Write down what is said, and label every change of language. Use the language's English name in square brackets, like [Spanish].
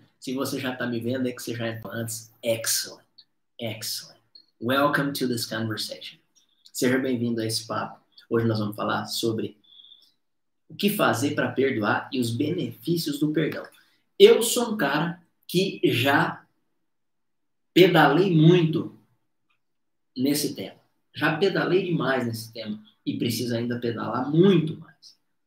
[Portuguese] Se você já está me vendo, é que você já entrou antes. [English] Excellent. Excellent. Welcome to this conversation. [Portuguese] Seja bem-vindo a esse papo. Hoje nós vamos falar sobre o que fazer para perdoar e os benefícios do perdão. Eu sou um cara que já pedalei muito nesse tema. Já pedalei demais nesse tema e preciso ainda pedalar muito mais.